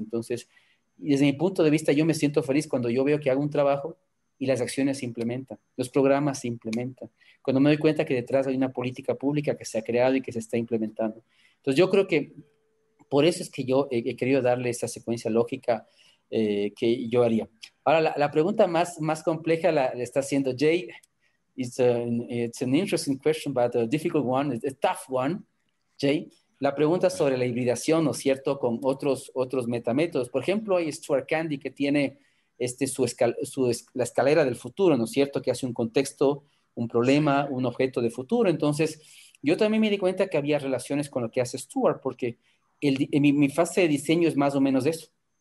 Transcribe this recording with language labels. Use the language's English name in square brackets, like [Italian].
[Spanish] Entonces, desde mi punto de vista, yo me siento feliz cuando yo veo que hago un trabajo y las acciones se implementan, los programas se implementan, cuando me doy cuenta que detrás hay una política pública que se ha creado y que se está implementando. Entonces, yo creo que por eso es que yo he querido darle esa secuencia lógica que yo haría. Ahora, la pregunta más compleja la está haciendo Jay. [English] It's an interesting question, but a difficult one, a tough one, Jay. [Spanish] La pregunta sobre la hibridación, ¿no es cierto?, con otros metamétodos. Por ejemplo, hay Stuart Candy que tiene la escalera del futuro, ¿no es cierto?, que hace un contexto, un problema, un objeto de futuro. Entonces, yo también me di cuenta que había relaciones con lo que hace Stuart, porque mi fase de diseño es más o menos eso.